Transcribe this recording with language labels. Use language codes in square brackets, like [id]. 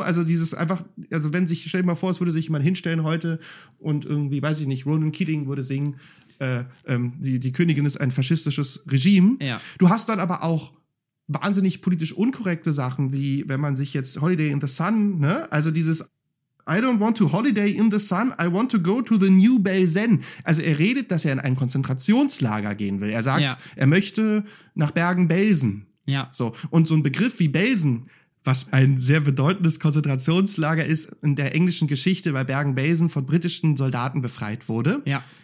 [de] Also dieses einfach, also wenn sich, stell dir mal vor, es würde sich jemand hinstellen heute und irgendwie, weiß ich nicht, Ronan Keating würde singen, die Königin ist ein faschistisches Regime. Ja. Du hast dann aber auch wahnsinnig politisch unkorrekte Sachen, wie wenn man sich jetzt Holiday in the Sun, ne? Also dieses [en] I don't want to holiday in the sun, I want to go to the New Belsen. [de] Also er redet, dass er in ein Konzentrationslager gehen will. Er sagt, er möchte nach Bergen-Belsen. Ja. So. Und so ein Begriff wie Belsen, was ein sehr bedeutendes Konzentrationslager ist in der englischen Geschichte, weil Bergen-Belsen von britischen Soldaten befreit wurde. Ja.